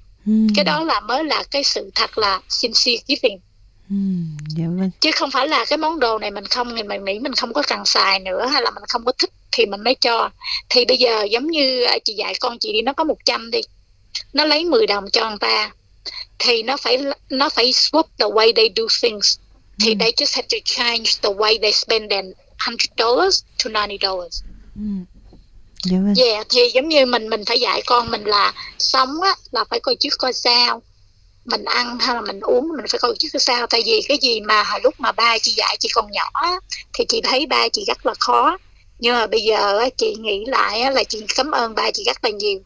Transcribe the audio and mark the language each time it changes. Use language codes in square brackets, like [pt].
[vi] Cái đó là mới là cái sự thật là [en] sincere giving. [vi] Chứ không phải là cái món đồ này mình không, mình nghĩ mình không có cần xài nữa hay là mình không có thích thì mình mới cho. Thì bây giờ giống như chị dạy con chị đi, nó có 100 đi, nó lấy 10 đồng cho người ta, thì nó phải [en] swap the way they do things. Thì they just have to change the way they spend them $100 to $90. [vi] Thì giống như mình phải dạy con mình là sống á là phải coi trước coi sau, mình ăn hay là mình uống mình phải coi trước coi sau. Tại vì cái gì mà hồi lúc mà ba chị dạy chị còn nhỏ á, thì chị thấy ba chị rất là khó. Nhưng mà bây giờ chị nghĩ lại là chị cảm ơn ba chị rất là nhiều.